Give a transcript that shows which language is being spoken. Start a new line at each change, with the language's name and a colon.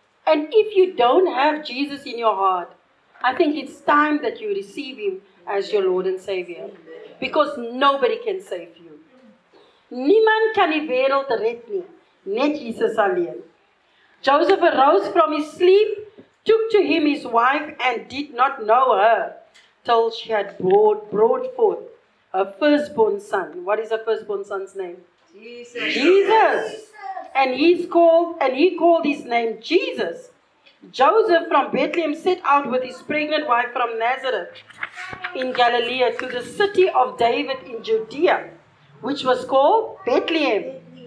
English: And if you don't have Jesus in your heart, I think it's time that you receive him as your Lord and Savior. Because nobody can save you.
Afrikaans: Niemand kan die wêreld red nie, net Jesus alleen.
English: Joseph arose from his sleep, took to him his wife, and did not know her till she had brought forth her firstborn son. What is her firstborn son's name? Jesus. And he called his name Jesus. Joseph from Bethlehem set out with his pregnant wife from Nazareth in Galilee to the city of David in Judea, which was called Bethlehem.